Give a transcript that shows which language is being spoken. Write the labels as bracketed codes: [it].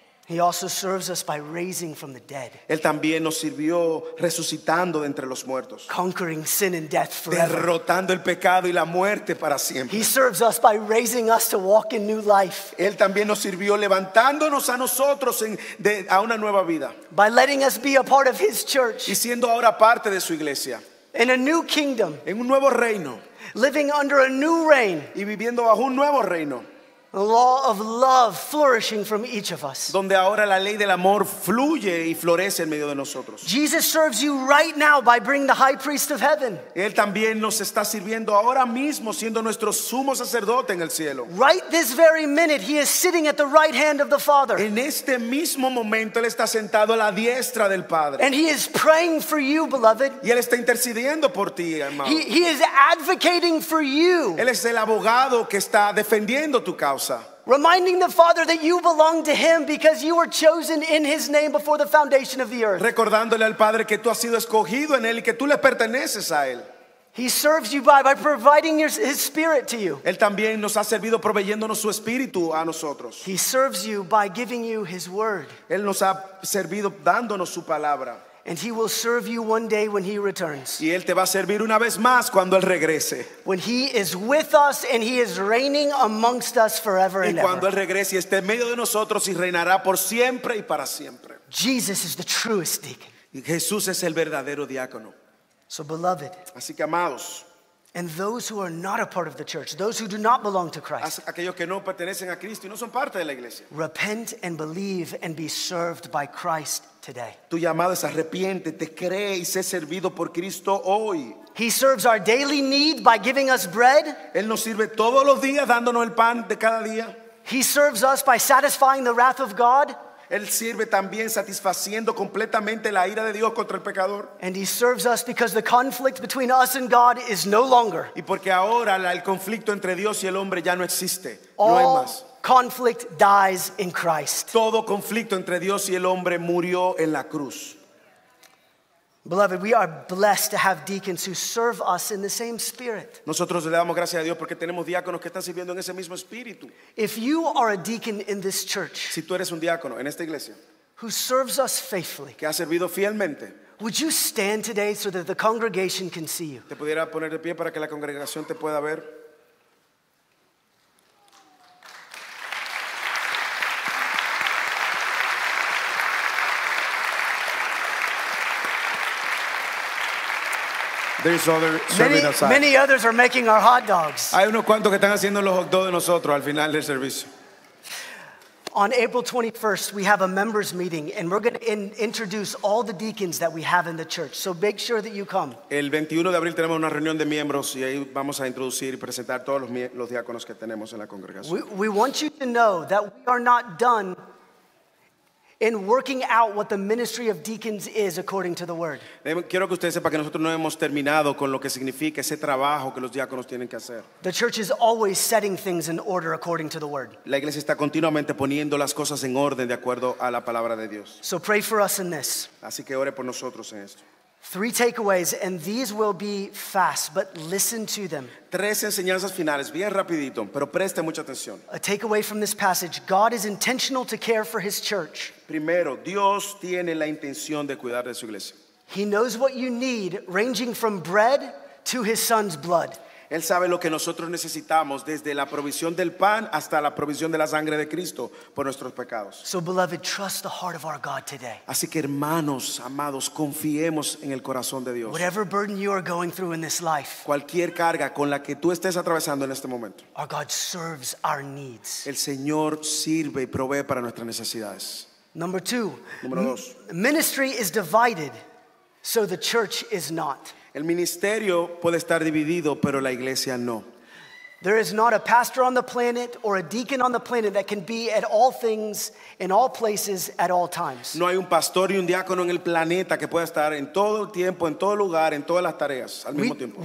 [en] He also serves us by raising from the dead. [es] Él también nos sirvió resucitando de entre los muertos. [en] Conquering sin and death forever. [es] Derrotando el pecado y la muerte para siempre. [en] He serves us by raising us to walk in new life. [es] Él también nos sirvió levantándonos a nosotros a una nueva vida. [en] By letting us be a part of his church. [es] Y siendo ahora parte de su iglesia. [en] In a new kingdom. [es] En un nuevo reino. [en] Living under a new reign. [es] Y viviendo bajo un nuevo reino. [en] The law of love flourishing from each of us. [es] Donde ahora la ley del amor fluye y florece en medio de nosotros. [en] Jesus serves you right now by bringing the high priest of heaven. [es] Él también nos está sirviendo ahora mismo siendo nuestro sumo sacerdote en el cielo. [en] Right this very minute he is sitting at the right hand of the Father. [es] En este mismo momento él está sentado a la diestra del Padre. [en] And he is praying for you, beloved. [es] Y él está intercediendo por ti, hermano. [en] He is advocating for you. [es] Él es el abogado que está defendiendo tu causa. [en] Reminding the Father that you belong to Him because you were chosen in His name before the foundation of the earth. [es] Recordándole al Padre que tú has sido escogido en Él y que tú le perteneces a Él. [en] He serves you by providing His Spirit to you. [es] Él también nos ha servido proveyéndonos su Espíritu a nosotros. [en] He serves you by giving you His Word. [es] Él nos ha servido dándonos su palabra. [en] And he will serve you one day when he returns. [es] Y él te va a servir una vez más cuando él regrese. [en] When he is with us and he is reigning amongst us forever and ever. [es] Y cuando él regrese y esté en medio de nosotros y reinará por siempre y para siempre. [en] Jesus is the truest deacon. [es] Y Jesús es el verdadero diácono. [en] So beloved. [es] Así que amados. [en] And those who are not a part of the church, those who do not belong to Christ, [es] aquellos que no pertenecen a Cristo y no son parte de la iglesia, [en] repent and believe and be served by Christ today. [es] Tu llamado es arrepiéntete, cree y sé servido por Cristo hoy. [en] He serves our daily need by giving us bread. [es] Él nos sirve todos los días dándonos el pan de cada día. [en] He serves us by satisfying the wrath of God. [es] Él sirve también satisfaciendo completamente la ira de Dios contra el pecador. [en] And he serves us because the conflict between us and God is no longer. [es] Y porque ahora el conflicto entre Dios y el hombre ya no existe. [en] All [es] no hay más. [en] Conflict dies in Christ. [es] Todo conflicto entre Dios y el hombre murió en la cruz. [en] Beloved, we are blessed to have deacons who serve us in the same spirit. [es] Nosotros le damos gracias a Dios porque tenemos diáconos que están sirviendo en ese mismo espíritu. [en] If you are a deacon in this church, [es] si tú eres un diácono en esta iglesia, [en] who serves us faithfully, [es] que ha servido fielmente, [en] would you stand today so that the congregation can see you? [es] Te pudiera poner de pie para que la congregación te pueda ver. [en] There's other serving us. Many others are making our hot dogs. [es] Hay unos cuantos que están haciendo los hot dogs de nosotros al final del servicio. [en] On April 21st, we have a members meeting, and we're going to introduce all the deacons that we have in the church. So make sure that you come. [es] El 21 de abril tenemos una reunión de miembros, y ahí vamos a introducir y presentar todos los diáconos que tenemos en la congregación. [en] We want you to know that we are not done in working out what the ministry of deacons is according to the word. [es] Quiero que usted sepa que nosotros no hemos terminado con lo que significa ese trabajo que los diáconos tienen que hacer. [en] The church is always setting things in order according to the word. [es] La iglesia está continuamente poniendo las cosas en orden de acuerdo a la palabra de Dios. [en] So pray for us in this. [es] Así que ore por nosotros en esto. [en] Three takeaways, and these will be fast, but listen to them. [es] Tres enseñanzas finales, bien rapidito, pero preste mucha atención. [en] A takeaway from this passage: God is intentional to care for His church. [es] Primero, Dios tiene la intención de cuidar de su iglesia. [en] He knows what you need, ranging from bread to His Son's blood. [es] Él sabe lo que nosotros necesitamos, desde la provisión del pan hasta la provisión de la sangre de Cristo por nuestros pecados. [en] So, beloved, trust the heart of our God today. [es] Así que, hermanos, amados, confiemos en el corazón de Dios. [en] Whatever burden you are going through in this life, [es] cualquier carga con la que tú estés atravesando en este momento, [en] our God serves our needs. [es] El Señor sirve y provee para nuestras necesidades. [en] Number two. [es] Número dos. [en] Ministry is divided, so the church is not. [es] El ministerio puede estar dividido, pero la iglesia no. [en] There is not a pastor on the planet or a deacon on the planet that can be at all things, in all places, at all times. [es] No hay un pastor y un diácono en el planeta que pueda estar en todo tiempo, en todo lugar, en todas las tareas al mismo tiempo.